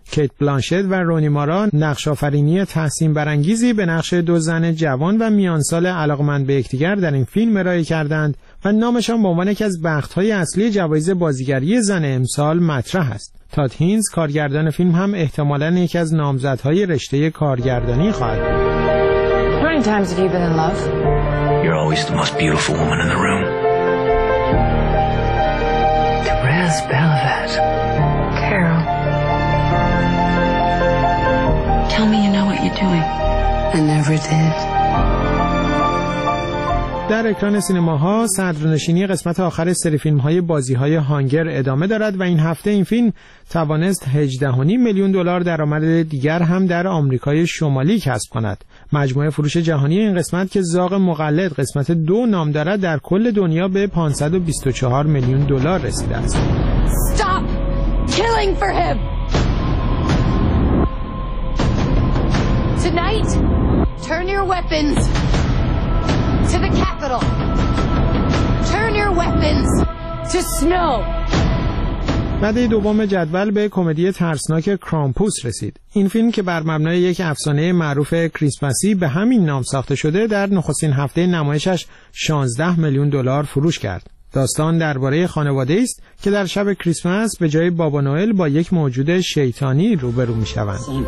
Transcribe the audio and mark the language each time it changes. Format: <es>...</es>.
<fa>کیت بلانشت و رونی مارا نقش آفرینی تحسین برانگیزی به نقش 2 زن جوان و میانسال علاقمند به یکدیگر در این فیلم ارائه کردند و نامشان به عنوان یکی از بخت‌های اصلی جوایز بازیگری زن امسال مطرح است. تاد هینز کارگردان فیلم هم احتمالاً یکی از نامزدهای رشته کارگردانی خواهد بود.</fa> <en>You're always the most beautiful woman in the room. Therese Belavet. Carol. Tell me you know what you're doing. I never did.</en> <fa>در اکران سینماها صدرنشینی قسمت آخر سری فیلم‌های بازی‌های هانگر ادامه دارد و این هفته این فیلم توانست 18.5 میلیون دلار درآمد دیگر هم در آمریکای شمالی کسب کند. مجموعه فروش جهانی این قسمت که زاغ مقلد قسمت 2 نام دارد در کل دنیا به 524 میلیون دلار رسیده است.</fa> <en>Stop killing for him. Tonight, turn your weapons. To the capital. Turn your weapons to snow.</en> <fa>بعدی دوم جدول به کمدی ترسناک کرامپوس رسید. این فیلم که بر مبنای یک افسانه معروف کریسمسی به همین نام ساخته شده در نخستین هفته نمایشش 16 میلیون دلار فروش کرد. داستان درباره خانواده است که در شب کریسمس به جای بابا نوئل با یک موجود شیطانی روبرو می شوند.</fa>